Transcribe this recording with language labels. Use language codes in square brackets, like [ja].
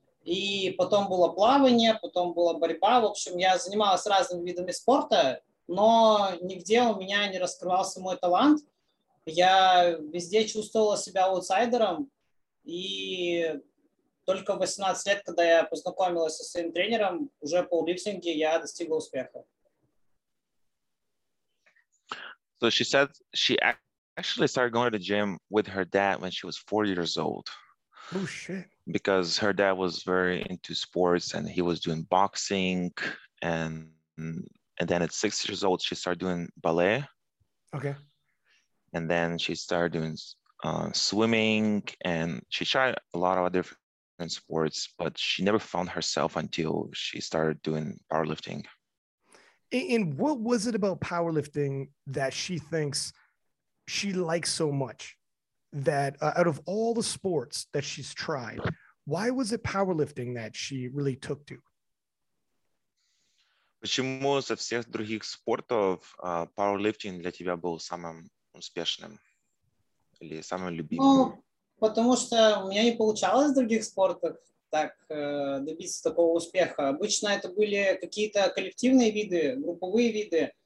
[ru] И потом было плавание, потом была борьба. В общем, я занималась разными видами спорта, но нигде у меня не раскрывался мой талант. Я везде чувствовала себя аутсайдером. И только в 18 лет, когда я познакомилась со своим тренером, уже по лифтинге я достигла успеха. [en] So she said she actually started going to the gym with her dad when she was 4 years old. Oh, shit. Because her dad was very into sports and he was doing boxing. And then at 6 years old, she started doing ballet. Okay. And then she started doing swimming and she tried a lot of different sports, but she never found herself until she started doing powerlifting. And what was it about powerlifting that she thinks she likes so much? That out of all the sports that she's tried, why was it powerlifting that she really took to? [ru] Почему со всех других спортов powerlifting для тебя был самым успешным или самым любимым? Ну, потому что у меня не получалось в других спортах так добиться такого успеха. Обычно это были какие-то коллективные виды, групповые виды.